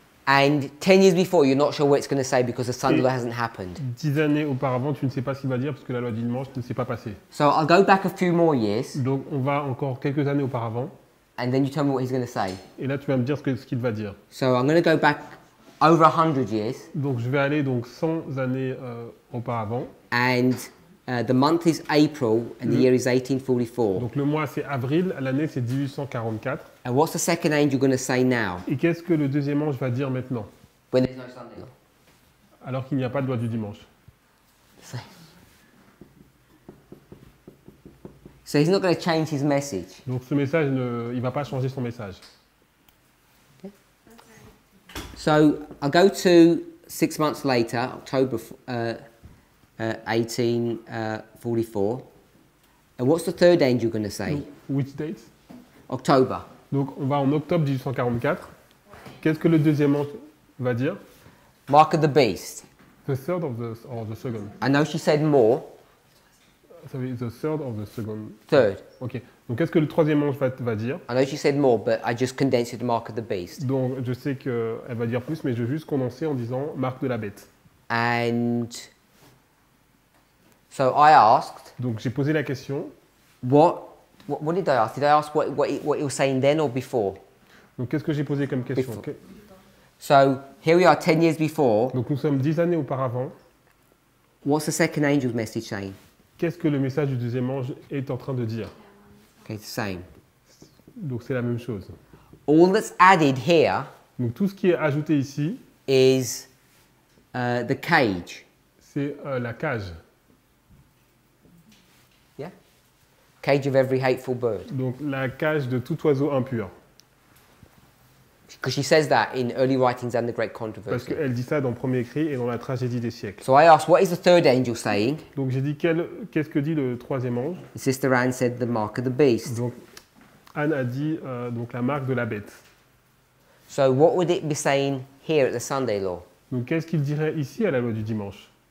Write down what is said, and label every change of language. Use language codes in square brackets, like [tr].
[en] And 10 years before, you're not sure what it's going to say because the Sunday law hasn't happened. [fr] 10 années auparavant, tu ne sais pas ce qu'il va dire parce que la loi du dimanche ne s'est pas passée. [en] So I'll go back a few more years. [fr] Donc on va encore quelques années auparavant. [en] And then you tell me what he's going to say. [fr] Et là, tu vas me dire ce qu'il va dire. [en] So I'm going to go back. Over 100 years. [fr] Donc je vais aller donc 100 années auparavant. [en] And the month is April and the year is 1844. [fr] Donc le mois c'est avril, l'année c'est 1844. [en] And what's the second angel going to say now? [fr] Et qu'est-ce que le deuxième ange va dire maintenant? [en] When there's no Sunday law. [fr] Alors qu'il n'y a pas de loi du dimanche. [en] So he's not going to change his message. [fr] Donc ce message ne, il va pas changer son message. [en] So I'll go to 6 months later, October 1844. And what's the third angel going to say? Which date? October. [fr] Donc on va en octobre 1844. Qu'est-ce que le deuxième ange va dire? [en] Mark of the Beast. The third of the, or the second? I know she said more. Sorry, the third or the second? Third. Okay. [fr] Donc qu'est-ce que le troisième ange va dire? [en] I know she said more, but I just condensed it to Mark of the Beast. [fr] Donc je sais qu'elle va dire plus, mais je vais juste condenser en disant Marque de la Bête. [en] And so I asked. [fr] Donc j'ai posé la question. [en] What did I ask? Did I ask what it was saying then or before? [fr] Donc qu'est-ce que j'ai posé comme question? [en] So here we are 10 years before. [fr] Donc nous sommes 10 années auparavant. [en] What's the second angel's message saying? [fr] Qu'est-ce que le message du deuxième ange est en train de dire? [en] Okay, the same. [fr] Donc c'est la même chose. [en] All that's added here. [fr] Donc tout ce qui est ajouté ici [en] is the cage. [fr] C'est la cage. [en] Yeah. Cage of every hateful bird. [fr] Donc la cage de tout oiseau impur. [en] Because she says that in early writings and the great controversy. [fr] Parce qu'elle dit ça dans Premier Écrit et dans la Tragédie des siècles. [en] So I asked, what is the third angel saying? [fr] Donc j'ai dit qu'est-ce que dit le troisième ange? [en] Sister Anne said the mark of the beast. [fr] Donc Anne a dit donc la marque de la bête. [en] So what would it be saying here at the Sunday law? [fr] Donc qu'est-ce qu'il dirait ici à la loi du dimanche?